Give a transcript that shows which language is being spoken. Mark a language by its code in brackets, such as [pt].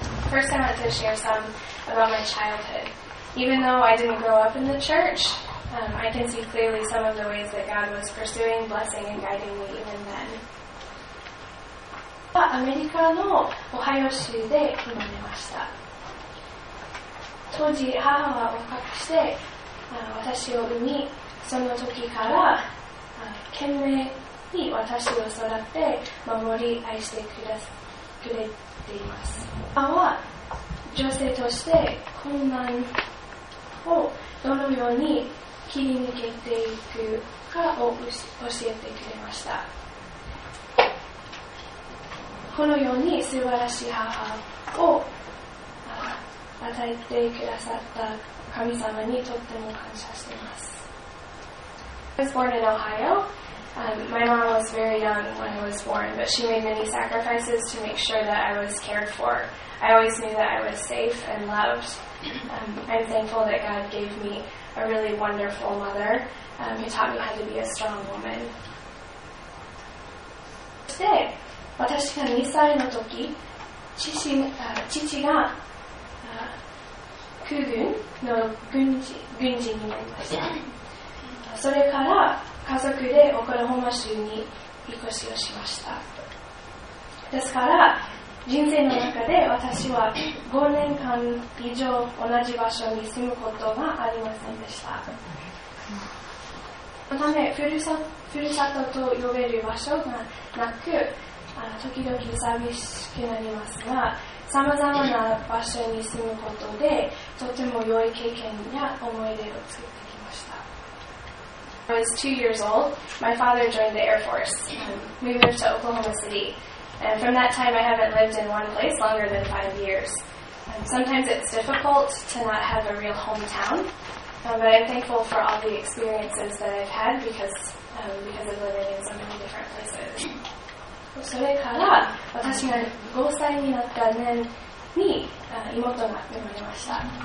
[en] First, I want to share some about my childhood. Even though I didn't grow up in the church, I can see clearly some of the ways that God was pursuing, blessing, and guiding me even then. [ja] アメリカのオハイオ州で生まれました。当時、母は若くして私を産み、その時から懸命に私を育て、守り、愛してくれています。母は女性として困難をどのように切り抜けていくかを教えてくれました。このように素晴らしい母を与えてくださった神様にとっても感謝しています。 [en] I was born in Ohio. My mom was very young when I was born, but she made many sacrifices to make sure that I was cared for. I always knew that I was safe and loved. I'm thankful that God gave me a really wonderful mother who taught me how to be a strong woman. [ja] そして、私が2歳の時、父が空軍の軍人になりました。それから、家族でオクラホマ州に引っ越しをしました。ですから、人生の中で私は5年間以上同じ場所に住むことがありませんでした。そのため、ふるさとと呼べる場所がなく、時々寂しくなりますが、様々な場所に住むことで、とても良い経験や思い出を作ってきました。 [en] I was 2 years old. My father joined the Air Force. We moved to Oklahoma City. And from that time, I haven't lived in one place longer than 5 years. Sometimes it's difficult to not have a real hometown. But I'm thankful for all the experiences that I've had because of living in so many different places. [ja] それから私が5歳になった年に妹が生まれました。